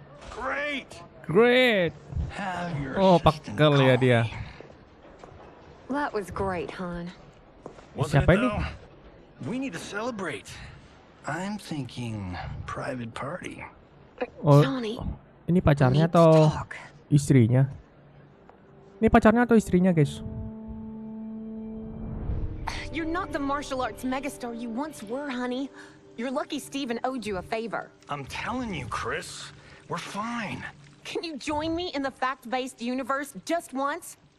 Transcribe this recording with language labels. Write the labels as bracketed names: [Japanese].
[English] Great. Great. Have your. [Indonesian] Oh, pakel ya dia. [English] That was great, hon. [Indonesian] Siapa ini? [English] We need to celebrate. I'm thinking private party. Johnny, [Indonesian] oh, ini pacarnya atau istrinya? Ini pacarnya atau istrinya, guys? [English] You're not the martial arts megastar you once were, honey. You're lucky Steven owed you a favor. I'm telling you, Chris, we're fine. Can you join me in the fact-based universe just once?